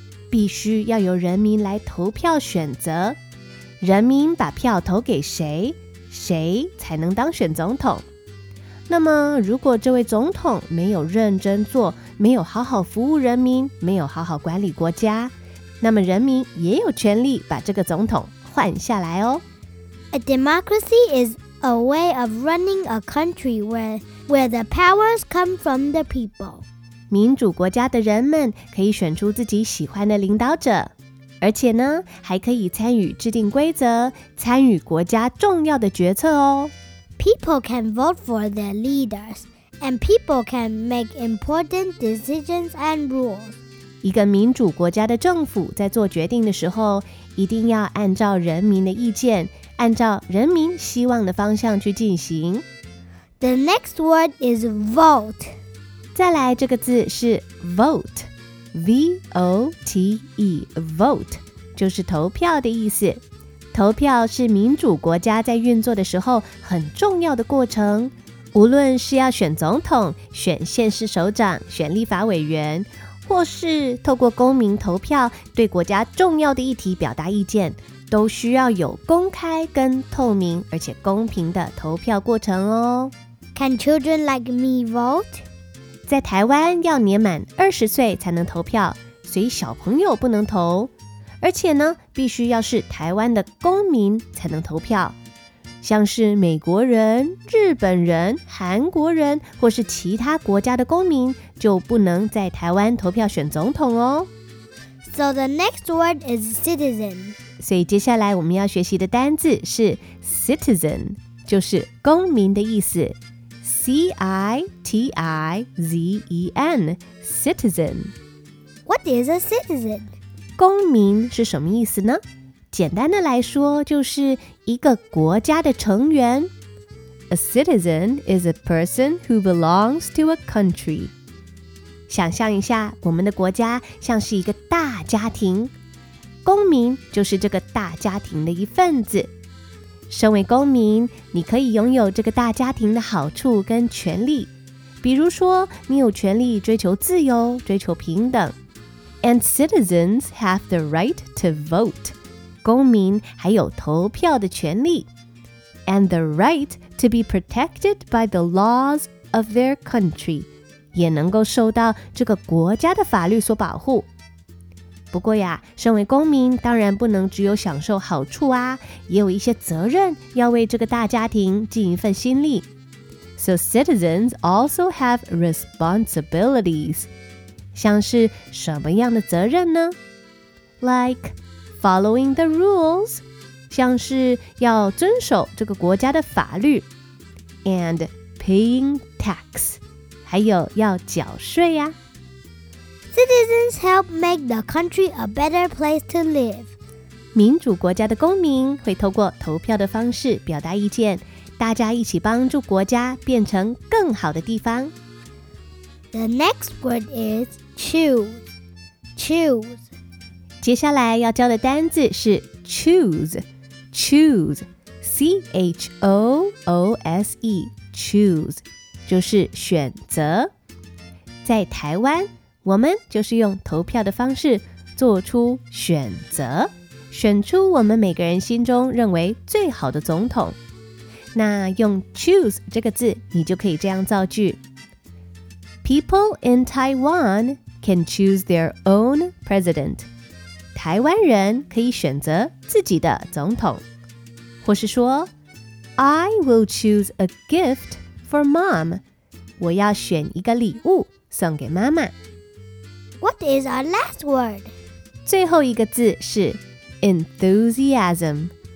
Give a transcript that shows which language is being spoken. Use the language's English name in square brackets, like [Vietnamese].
[Chinese] 必须要由人民来投票选择，人民把票投给谁，谁才能当选总统。那么如果这位总统没有认真做，没有好好服务人民，没有好好管理国家，那么人民也有权利把这个总统换下来哦。 [English] A democracy is a way of running a country where the powers come from the people. [Chinese] 民主国家的人们可以选出自己喜欢的领导者，而且呢，还可以参与制定规则，参与国家重要的决策哦。 [English] People can vote for their leaders, and people can make important decisions and rules. [Chinese] 一个民主国家的政府在做决定的时候，一定要按照人民的意见，按照人民希望的方向去进行。 [English] The next word is vote. [Chinese] 再来这个字是 vote, V-O-T-E, vote, 就是投票的意思。投票是民主国家在运作的时候很重要的过程，无论是要选总统、选县市首长、选立法委员，或是透过公民投票对国家重要的议题表达意见，都需要有公开跟透明而且公平的投票过程哦。 [English] Can children like me vote? [Chinese] 在台湾要年满20岁才能投票，所以小朋友不能投，而且呢，必须要是台湾的公民才能投票。像是美国人、日本人、韩国人或是其他国家的公民就不能在台湾投票选总统哦。 [English] So the next word is citizen. [Chinese] 所以接下来我们要学习的单字是 citizen, 就是公民的意思。 [English] C-I-T-I-Z-E-N, citizen. What is a citizen? [Chinese] 公民是什么意思呢？简单的来说，就是一个国家的成员。 [English] A citizen is a person who belongs to a country. [Chinese] 想象一下，我们的国家像是一个大家庭，公民就是这个大家庭的一份子。身为公民，你可以拥有这个大家庭的好处跟权利，比如说你有权利追求自由，追求平等。 [English] And citizens have the right to vote. [Chinese] 公民还有投票的权利 [English] and the right to be protected by the laws of their country [Chinese] 也能够受到这个国家的法律所保护。不过呀，身为公民当然不能只有享受好处啊，也有一些责任要为这个大家庭尽一份心力。 [English] So citizens also have responsibilities. [Chinese] 像是什么样的责任呢？ [English] Like,Following the rules, [Chinese] 像是要遵守这个国家的法律 [English] and paying tax, [Chinese] 还有要缴税呀。 [English] Citizens help make the country a better place to live. [Chinese] 民主国家的公民会透过投票的方式表达意见，大家一起帮助国家变成更好的地方。 [English] The next word is choose. Choose. [Chinese] 接下来要教的单字是 choose, choose, C-H-O-O-S-E, choose, 就是选择。在台湾，我们就是用投票的方式做出选择，选出我们每个人心中认为最好的总统。那用 choose 这个字，你就可以这样造句。 [English] People in Taiwan can choose their own president. [Chinese] 台湾人可以选择自己的总统，或是说 [English] I will choose a gift for mom. [Chinese] 我要选一个礼物送给妈妈。 [English] What is our last word? [Chinese] 最后一个字是 enthusiasm.